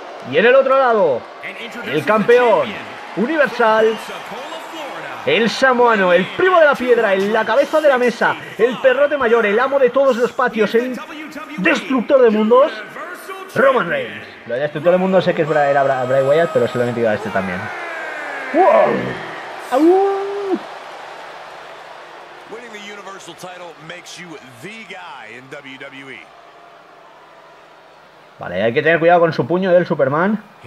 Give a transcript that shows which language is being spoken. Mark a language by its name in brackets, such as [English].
[Spanish] Y en el otro lado, el campeón universal, el samoano, el primo de la piedra, el la cabeza de la mesa, el perrote mayor, el amo de todos los patios, el destructor de mundos, Roman Reigns. Lo de destructor de mundos sé que era Bray Wyatt, pero solamente iba a este también. ¡Wow! ¡Au! [English] Winning the Universal title makes you the guy in WWE. [Spanish] Vale, hay que tener cuidado con su puño del Superman.